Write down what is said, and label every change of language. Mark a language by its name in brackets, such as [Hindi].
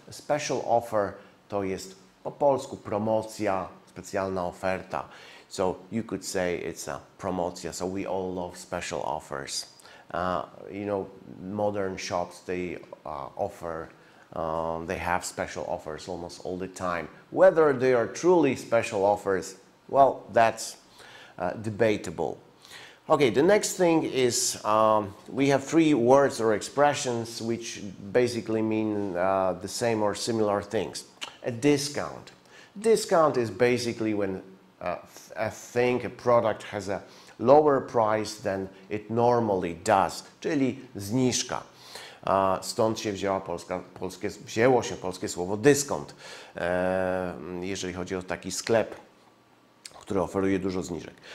[English] A special offer, [Polish] to jest po polsku promocja, specjalna oferta. [English] So you could say it's a promocja. So we all love special offers. You know, modern shops, they offer, they have special offers almost all the time. Whether they are truly special offers, well, that's debatable. Okay, the next thing is we have three words or expressions which basically mean the same or similar things. A discount. Discount is basically when a product has a lower price than it normally does, [Polish] czyli zniżka. Stąd się wzięła wzięło się polskie słowo dyskont, jeżeli chodzi o taki sklep, który oferuje dużo zniżek.